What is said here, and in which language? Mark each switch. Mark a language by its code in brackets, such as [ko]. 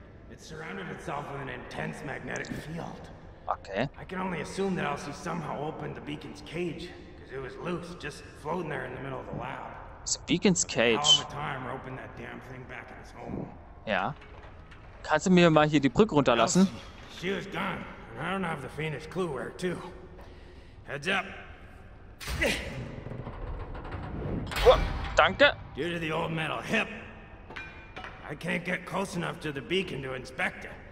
[en] It surrounded itself with an intense magnetic field. Okay. I can only assume that Elsie somehow opened the beacon's cage. It was loose, just floating there in the middle of the lab. It's a beacon's cage. All the time roping that damn thing back in its home. Yeah. [de] Kannst du mir mal hier die Brücke runterlassen? [en] She was gone, and I don't have the faintest clue where to. Heads up. [de] Danke. [en] Due to the old metal hip, I can't get close enough to the beacon to inspect it.